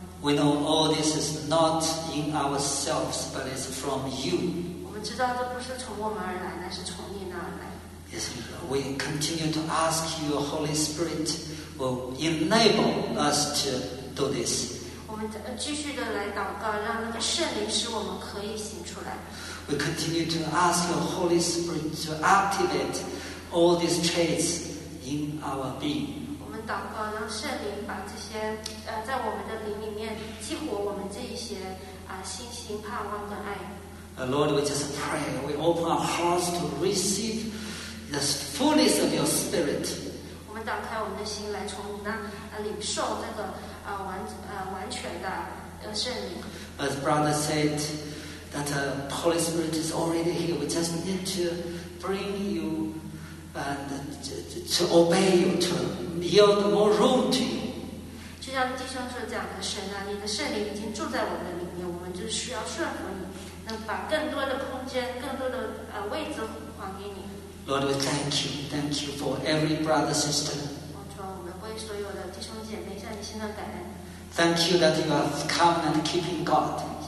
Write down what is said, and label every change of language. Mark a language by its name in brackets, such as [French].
[English] We know all this is not in ourselves, but it's from you. [Chinese] 我们知道这不是从我们而来，乃是从你那儿来。 [English] Yes, we continue to ask you, Holy Spirit, will enable us to do this. [Chinese] 我们继续的来祷告，让那个圣灵使我们可以行出来。 [English] We continue to ask your Holy Spirit to activate all these traits in our being. [Chinese] 我们祷告，让圣灵把这些在我们的灵里面激活我们这一些信心、盼望跟爱。 [English] Lord, we just pray. We open our hearts to receive the fullness of your Spirit. [Chinese] 我们打开我们的心，来从你那领受这个完全的圣灵。 [English] As brother said. That the Holy Spirit is already here. We just need to bring you and to obey you, to yield more room to you. [Chinese] 就像弟兄所讲的，神啊，你的圣灵已经住在我们里面，我们就需要顺服你，能把更多的空间、更多的位置还给你。 [English] Lord, we thank you for every brother, sister. [Chinese] 我主，我们为所有的弟兄姐妹向你献上感恩。 [English] Thank you that you have come and keeping God.